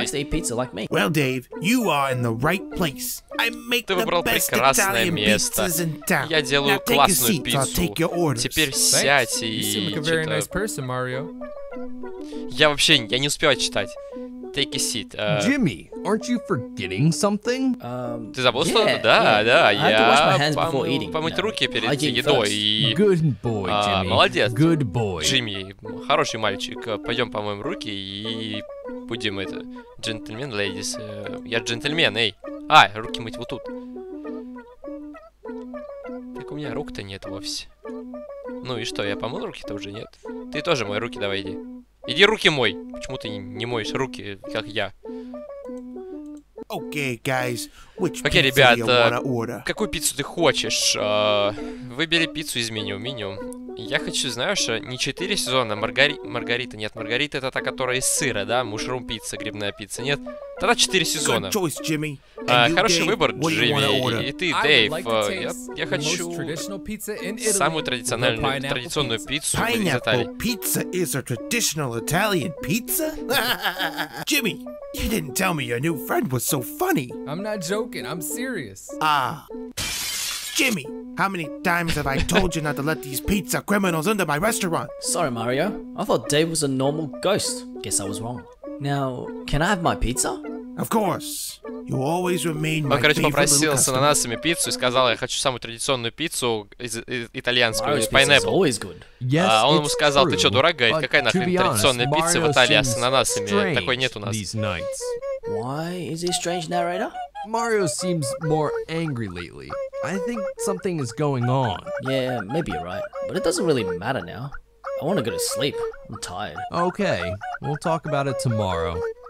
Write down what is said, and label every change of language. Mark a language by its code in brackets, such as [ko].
[en] He likes to eat pizza like me. Well, Dave, you are in the right place. I make the best Italian pizzas in town. [ru] Я делаю классную пиццу. Теперь сядь и. [en] You seem like a very nice person, Mario. [ru] Я вообще я не успеваю читать. [en] Take a seat. Jimmy, aren't you forgetting something? [ru] Ты забыл что-то? Да, да, я помыть руки перед едой и... [en] Good boy, Jimmy. [ru] Молодец. [en] Good boy. [ru] Джимми, хороший мальчик. Пойдем помоем руки и будем это... Джентльмен, ladies. Я джентльмен, эй. А, руки мыть вот тут. Так у меня рук-то нет вовсе. Ну и что, я помыл руки-то уже, нет? Ты тоже мой руки, давай иди. Иди руки мой. Почему ты не моешь руки, как я? [en] Окей, guys, which pizza you wanna order? [ru] Какую пиццу ты хочешь? Выбери пиццу из меню. Я хочу, знаешь, не 4 сезона, маргарита, нет, маргарита это та, которая из сыра, да? Мушрум пицца, грибная пицца, нет? Тогда 4 сезона. [en] Choice, Jimmy. [ru] Хороший Dave, выбор, Джимми, и ты, Дэйв, я хочу самую традиционную пиццу из Италии. [en] Pizza is a traditional Italian pizza? Jimmy, you didn't tell me your new friend was so funny. I'm not joking, I'm serious. Jimmy, how many times have I told you not to let these pizza criminals into my restaurant? Sorry, Mario. I thought Dave was a normal ghost. Guess I was wrong. Now, can I have my pizza? Of course. You always remain my [ru] Он, короче, попросил с ананасами пиццу и сказал, я хочу самую традиционную пиццу из итальянскую, [en] Mario's [ru] из pineapple. [en] Pizza is always good. Yes, it's true. [ru] Он ему сказал, ты что, дурак, говорит, какая нахрен традиционная пицца в Италии с ананасами? Такой нет у нас. [en] Why is he a strange narrator? Mario seems more angry lately. I think something is going on. Yeah, maybe you're right. But it doesn't really matter now. I want to go to sleep. I'm tired. Okay, we'll talk about it tomorrow.